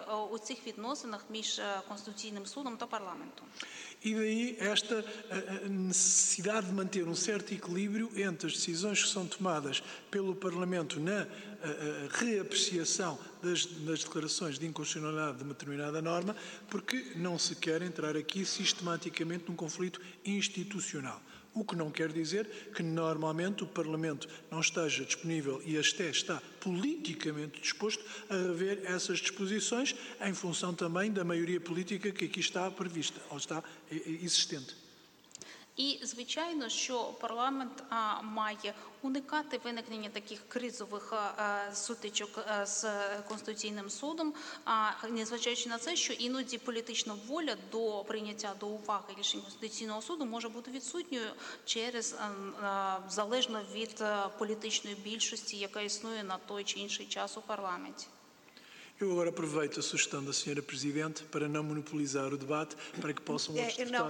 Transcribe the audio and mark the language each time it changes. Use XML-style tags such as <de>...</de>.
<uk>У цих відносинах між Конституційним судом та парламентом.</uk> <pt>І daí esta necessidade de manter um certo equilíbrio entre as decisões que são tomadas pelo Parlamento na reapreciação das declarações de inconstitucionalidade de uma determinada norma, porque não se quer entrar aqui sistematicamente num conflito institucional. O que não quer dizer que normalmente o Parlamento não esteja disponível e até está politicamente disposto a rever essas disposições em função também da maioria política que aqui está prevista ou está existente.</pt> <uk>І, звичайно, що парламент має уникати виникнення таких кризових сутичок з Конституційним судом, незважаючи на це, що іноді політична воля до прийняття до уваги рішень Конституційного суду може бути відсутньою через залежно від політичної більшості, яка існує на той чи інший час у парламенті.</uk> <pt>Eu agora aproveito a sugestão da Sra. Presidente para não monopolizar o debate, para que possam os deputados</pt>